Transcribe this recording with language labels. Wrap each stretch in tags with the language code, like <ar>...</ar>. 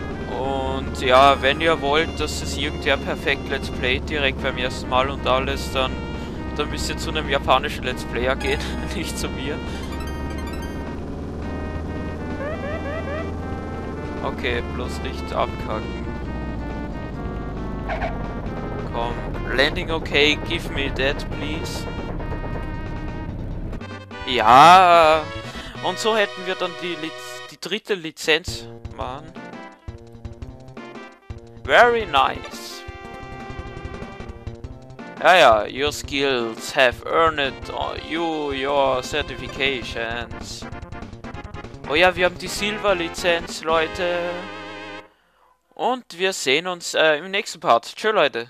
<de>Und ja, wenn ihr wollt, dass es irgendwer perfekt Let's Play direkt beim ersten Mal und alles, dann müsst ihr zu einem japanischen Let's Player gehen, nicht zu mir. Okay, bloß nicht abkacken.</de> <en>Komm, landing okay, give me that, please.</en> <de>Ja, und so hätten wir dann die dritte Lizenz, Mann.</de> <en>Very nice. Ja, ja, your skills have earned you your certifications.</en> <de>Oh ja, wir haben die Silver-Lizenz, Leute. Und wir sehen uns im nächsten Part. Tschö, Leute.</de>